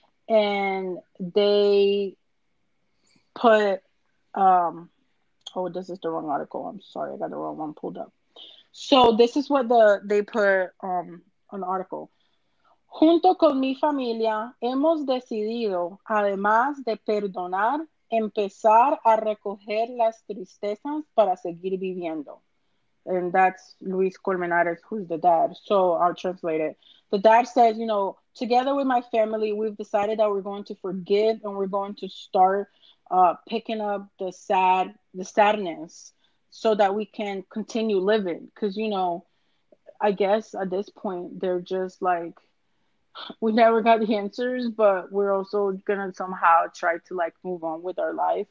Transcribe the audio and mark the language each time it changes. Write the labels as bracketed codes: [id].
[en] And they put this is the wrong article. I'm sorry, I got the wrong one pulled up. So this is what they put on the article. [es] Junto con mi familia hemos decidido, además de perdonar, empezar a recoger las tristezas para seguir viviendo. [en] And that's Luis Colmenares, who's the dad. So I'll translate it. The dad says, you know, together with my family, we've decided that we're going to forgive and we're going to start picking up the sadness so that we can continue living. Because, you know, I guess at this point, they're just like, we never got the answers, but we're also going to somehow try to, like, move on with our life.